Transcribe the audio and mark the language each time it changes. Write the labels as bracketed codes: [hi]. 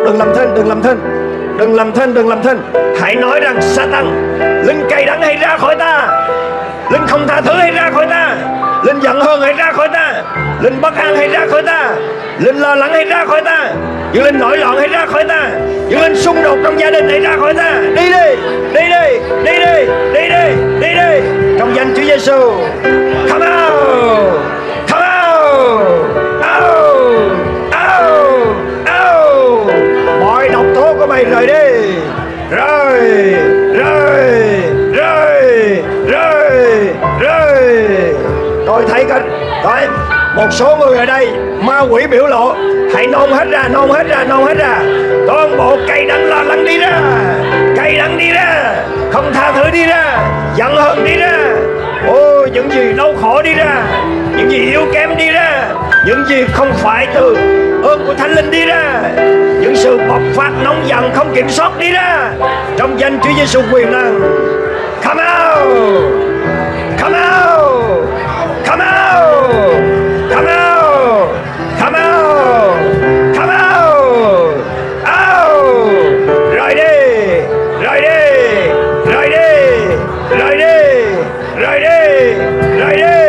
[vi] Đừng làm thinh, đừng làm thinh, đừng làm thinh, đừng làm thinh. Hãy nói rằng Satan, linh cay đắng hãy ra khỏi ta, linh không tha thứ hãy ra khỏi ta, linh giận hờn hãy ra khỏi ta, linh bất an hãy ra khỏi ta, linh lo lắng hãy ra khỏi ta, những linh nổi loạn hãy ra khỏi ta, những linh xung đột trong gia đình hãy ra khỏi ta. Đi đi, đi đi, đi đi, đi đi, đi đi, trong danh Chúa Giêsu. [en] Come out, come out, out, out, out. [vi] Mọi độc tố của mày rời đi, rời, rời, rời, rời, rời. Tôi thấy có đấy, một số người ở đây ma quỷ biểu lộ, hãy nôn hết ra, nôn hết ra, nôn hết ra. Toàn bộ cay đắng lo lắng đi ra, cay đắng đi ra, không tha thứ đi ra, giận hờn đi ra. Ôi, những gì đau khổ đi ra, những gì yếu kém đi ra, những gì không phải từ ơn của thánh linh đi ra, những sự bộc phát nóng giận không kiểm soát đi ra, trong danh Chúa Giêsu quyền năng. [en] Come out, come out, come out, come out, come out, come out, out. [vi] Rời đi, rời đi, rời đi, rời đi, rời đi, rời đi.